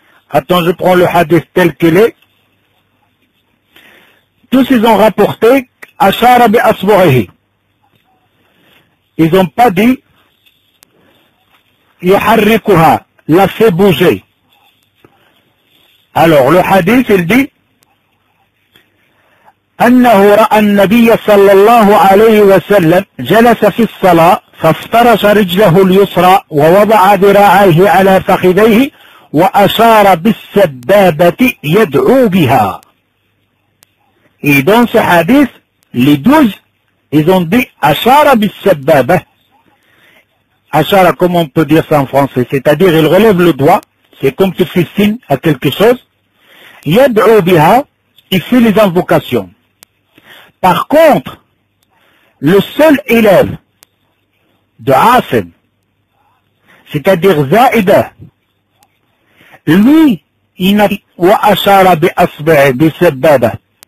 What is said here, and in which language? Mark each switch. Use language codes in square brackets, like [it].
[fr] Attends, je prends le hadith tel qu'il est. Tous ils ont rapporté Ashara bi asbu'ihi. Ils n'ont pas dit Yuharrikuha, l'a fait bouger. Alors le hadith il dit [ar] أنه رأى النبي صلى الله عليه وسلم جلس في الصلاة فافترش رجله اليسرى ووضع ذراعيه على فخذيه وأشار بالسبابة يدعو بها. [fr] Et dans ce hadith, les douze, ils ont dit [ar] أشار بالسبابة. [fr] أشار, comment on peut dire ça en français? C'est-à-dire, il relève le doigt, c'est comme tu fais signe à quelque chose. [ar] يدعو بها, [fr] il fait les invocations. Par contre, le seul élève de Asim, c'est-à-dire Zaïda, lui, il n'a dit « wa ashara bi asba'i bi sababa ».